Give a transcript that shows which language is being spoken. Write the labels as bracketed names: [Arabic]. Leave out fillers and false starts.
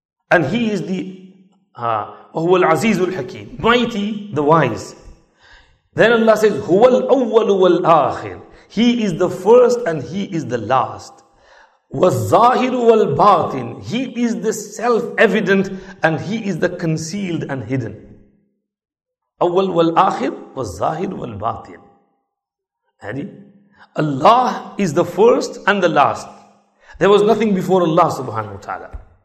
[English] And He is the Huwa al-Aziz al-Hakim, mighty, the wise. Then Allah says, [Arabic] Huwa al-Awwal wal-Akhir. [English] He is the first and He is the last. [Arabic] وَالظَّاهِرُ وَالْبَاطِنُ [English] He is the self-evident and He is the concealed and hidden. [Arabic] أول والآخر والظاهر والباطن. [English] Ready? Allah is the first and the last. There was nothing before Allah subhanahu wa ta'ala.